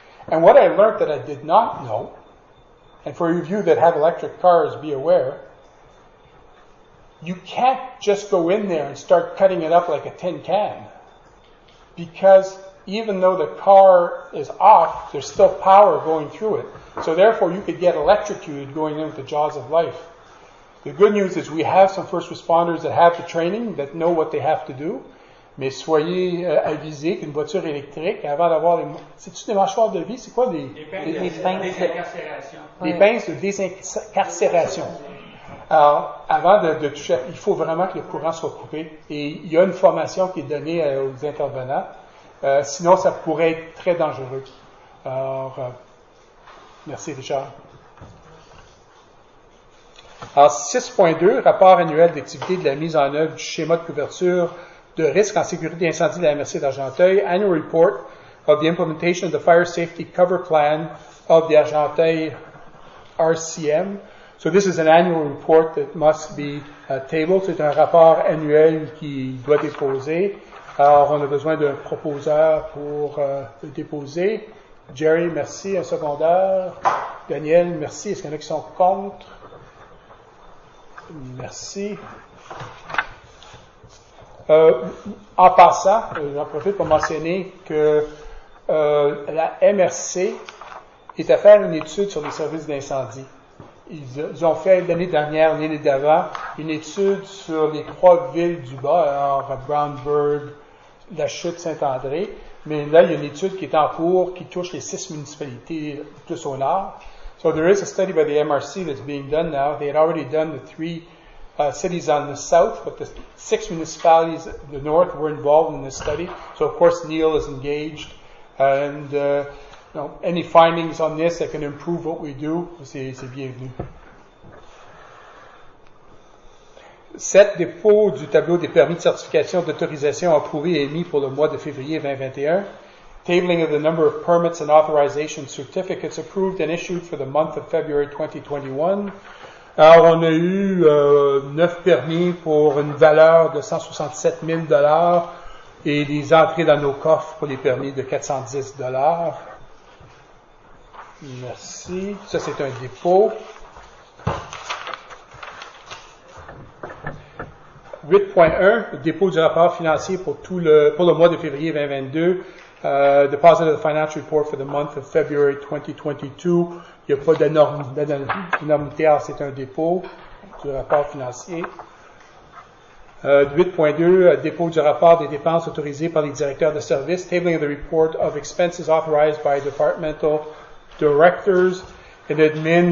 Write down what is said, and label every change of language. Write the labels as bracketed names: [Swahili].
[English] And what I learned that I did not know, and for you of you that have electric cars, be aware, you can't just go in there and start cutting it up like a tin can. Because even though the car is off, there's still power going through it. So therefore, you could get electrocuted going in with the jaws of life. The good news is we have some first responders that have the training, that know what they have to do. [French] Mais soyez avisés qu'une voiture électrique, avant d'avoir les... C'est-tu des mâchoires de vie? C'est quoi des... Des pinces de désincarcération. Des pinces de désincarcération. Alors, avant de toucher, il faut vraiment que le courant soit coupé. Et il y a une formation qui est donnée aux intervenants. Sinon, ça pourrait être très dangereux. Alors, merci Richard. Alors, 6.2, rapport annuel d'activité de la mise en œuvre du schéma de couverture de risque en sécurité incendie de la MRC d'Argenteuil, [English] annual report of the implementation of the fire safety cover plan of the Argenteuil RCM. So this is an annual report that must be tabled. [French] C'est un rapport annuel qui doit être déposé. Alors, on a besoin d'un proposeur pour le déposer. Jerry, merci. Un secondaire. Daniel, merci. Est-ce qu'il y en a qui sont contre? Merci. En passant, j'en profite pour mentionner que la MRC est à faire une étude sur les services d'incendie. Ils ont fait l'année dernière, l'année d'avant, une étude sur les trois villes du bas, alors Brownsburg, La Chute, Saint-André. Mais là, il y a une étude qui est en cours, qui touche les six municipalités plus au nord. [English] So there is a study by the MRC that's being done now. They had already done the three cities on the south, but the six municipalities of the north were involved in this study. So of course, Neil is engaged. And you know, any findings on this that can improve what we do, [French] c'est bienvenu. Sept dépôts du tableau des permis de certification d'autorisation approuvés et émis pour le mois de février 2021. [English] Tabling of the number of permits and authorization certificates approved and issued for the month of February 2021. [French] Alors, on a eu neuf permis pour une valeur de 167 000 $ et des entrées dans nos coffres pour les permis de 410 $. Merci. Ça, c'est un dépôt. 8.1, le dépôt du rapport financier pour le mois de février 2022. [English] Deposit of the financial report for the month of February 2022. [French] Il n'y a pas d'énormité, alors c'est un dépôt du rapport financier. 8.2, dépôt du rapport des dépenses autorisées par les directeurs de service. [English] Tabling of the report of expenses authorized by departmental directors and admin.